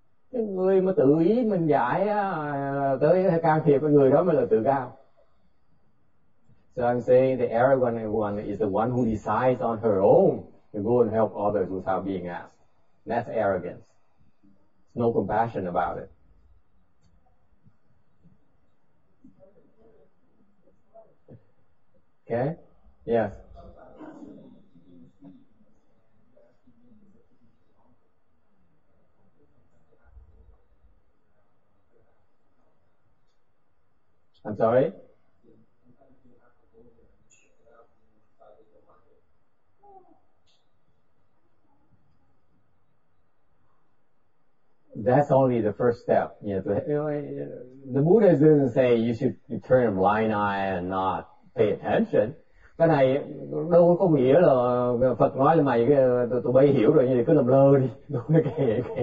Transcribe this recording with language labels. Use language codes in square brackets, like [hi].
[vi] Cái người mà tự ý mình giải tới can thiệp cái người đó mới là tự cao. [en] So I'm saying the arrogant one is the one who decides on her own to go and help others without being asked. That's arrogance. There's no compassion about it. Okay? Yes. I'm sorry? That's only the first step. You know, the Buddha doesn't say you should turn a blind eye and not pay attention. [vi] Cái này đâu có nghĩa là Phật nói là mày tụi bay hiểu rồi nhưng cứ làm lơ đi, đúng là kề.